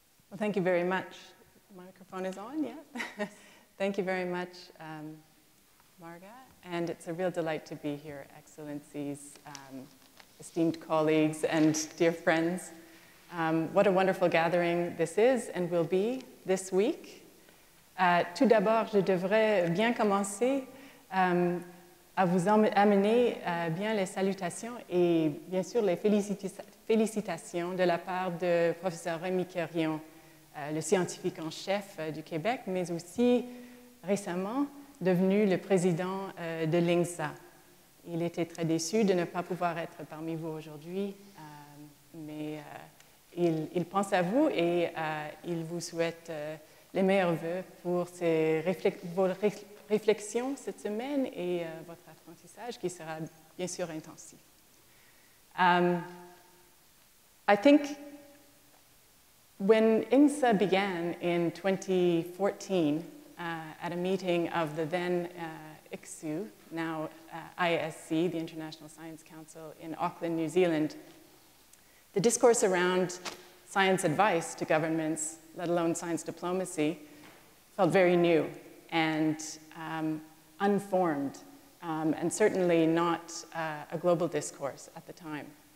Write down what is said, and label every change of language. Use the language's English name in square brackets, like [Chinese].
[English] Well, thank you very much. The microphone is on, yeah? Thank you very much, Marga. And it's a real delight to be here, Excellencies, esteemed colleagues, and dear friends. What a wonderful gathering this is and will be this week. [French] Tout d'abord, je devrais bien commencer à vous amener bien les salutations et bien sûr les félicitations de la part de professeur Rémi Querrion, le scientifique en chef du Québec, mais aussi récemment devenu le président de l'INGSA. Il était très déçu de ne pas pouvoir être parmi vous aujourd'hui, mais il pense à vous et il vous souhaite les meilleurs voeux pour ses réflexions cette semaine et votre apprentissage qui sera bien sûr intensif. [English] I think when INGSA began in 2014 at a meeting of the then ICSU, now ISC, the International Science Council in Auckland, New Zealand, the discourse around science advice to governments, let alone science diplomacy, felt very new and unformed, and certainly not a global discourse at the time.